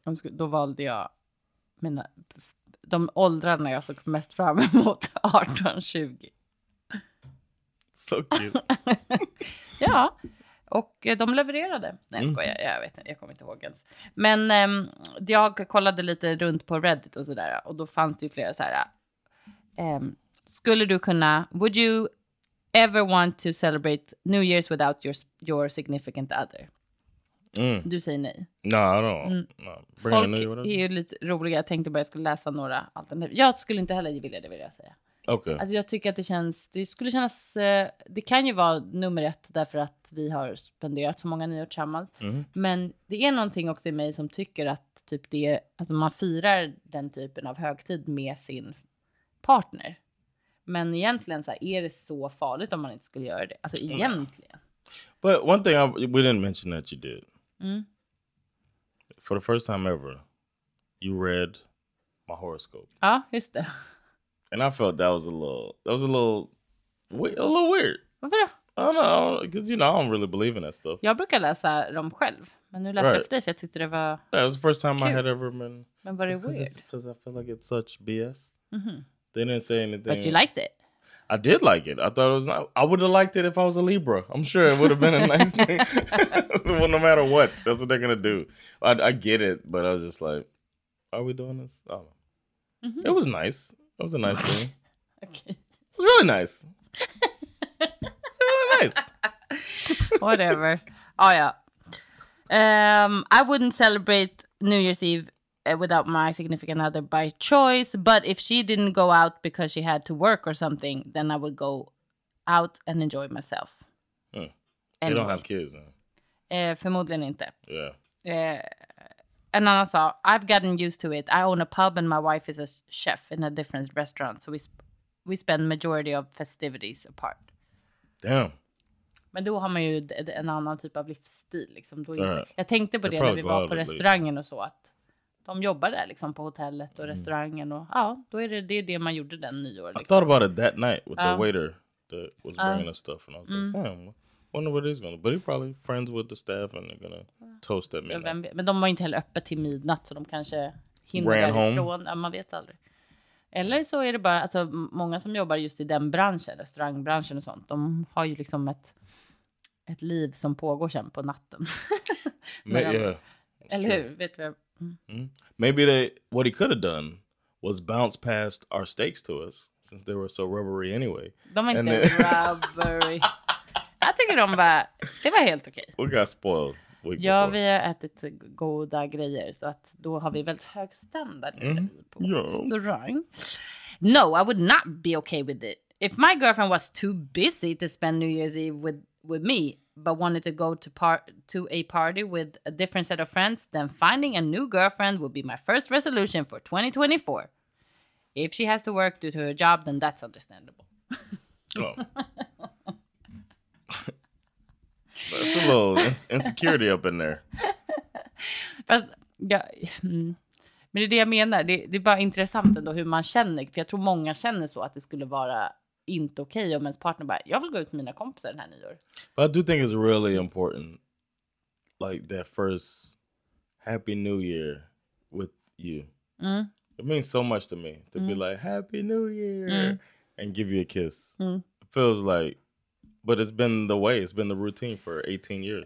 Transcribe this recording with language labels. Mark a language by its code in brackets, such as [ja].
[sv] Då valde jag mina... De åldrarna jag såg mest fram emot 18-20. Så kul. Ja, och de levererade. Nej, skojar, jag vet inte, jag kommer inte ihåg ens. Men jag kollade lite runt på Reddit och sådär. Och då fanns det ju flera såhär. Skulle du kunna, [en] would you ever want to celebrate New Year's without your significant other? [sv] Du säger nej. [en] No. [sv] Folk är ju lite roliga. Jag tänkte bara jag skulle läsa några alternativ. Jag skulle inte heller vilja det, vill jag säga. [en] Okay. [sv] Alltså jag tycker att det känns, det skulle kännas, det kan ju vara nummer ett därför att vi har spenderat så många nyår tillsammans. Men det är någonting också i mig som tycker att typ det är, alltså man firar den typen av högtid med sin partner. Men egentligen så här, är det så farligt om man inte skulle göra det? Alltså egentligen. [en] But one thing we didn't mention that you did. For the first time ever, you read my horoscope. [sv] Ah, just det. [en] And I felt that was a little weird. [sv] Varför då? [en] I don't know, because you know I don't really believe in that stuff. [sv] Jag brukar läsa dem själv, men nu läste jag för dig för jag tyckte det var. [en] Yeah, it was the first time I had ever been. [sv] Men var det weird? [en] Because I feel like it's such BS. They didn't say anything. But you liked it. I did like it. I thought it was not, I would have liked it if I was a Libra. I'm sure it would have been a nice thing. Well, no matter what, that's what they're going to do. I get it, but I was just like, are we doing this? I don't know. Mm-hmm. It was nice. It was a nice thing. Okay. It was really nice. It was really nice. Whatever. Oh, yeah. I wouldn't celebrate New Year's Eve without my significant other by choice. But if she didn't go out because she had to work or something, then I would go out and enjoy myself. Huh. Anyway. You don't have kids, [sv] huh? Förmodligen inte. [en] Yeah. And then I saw, I've gotten used to it. I own a pub and my wife is a chef in a different restaurant. So we spend majority of festivities apart. Damn. [sv] Men då har man ju en annan typ av livsstil. Liksom. Då inte, jag tänkte på det när vi var på restaurangen och så. Att de jobbade där liksom, på hotellet och restaurangen. Och ja, då är det det man gjorde den nyår. Liksom. [en] I thought about it that night with the waiter that was bringing us stuff. And I was like, damn, I wonder what he's gonna do. But he's probably friends with the staff and they're gonna toast at midnight. [sv] Ja, men de var inte heller öppna till midnatt så de kanske hinner ran därifrån. Ja, man vet aldrig. Eller så är det bara, alltså många som jobbar just i den branschen, restaurangbranschen och sånt, de har ju liksom ett liv som pågår sen på natten. Men, yeah. Eller true. Hur? Vet du? [en] Maybe they, what he could have done was bounce past our steaks to us since they were so rubbery anyway. [sv] De var inte rubbery. Jag tycker de var, det var helt okej. [en] We got spoiled. [sv] Ja, vi har ätit goda grejer så att då har vi väldigt hög standard på restaurang. [en] No, I would not be okay with it. If my girlfriend was too busy to spend New Year's Eve with me, but wanted to go to a party with a different set of friends, then finding a new girlfriend would be my first resolution for 2024. If she has to work due to her job, then that's understandable. Oh. That's a little insecurity up in there. [sv] Fast, ja, men det är det jag menar. Det är bara intressant ändå hur man känner. För jag tror många känner så att det skulle vara inte okej om ens partner bara, jag vill gå ut med mina kompisar den här nyår. [en] But I do think it's really important, like that first happy new year with you. Mm. It means so much to me to be like happy new year and give you a kiss. Mm. It feels like, but it's been the way, it's been the routine for 18 years.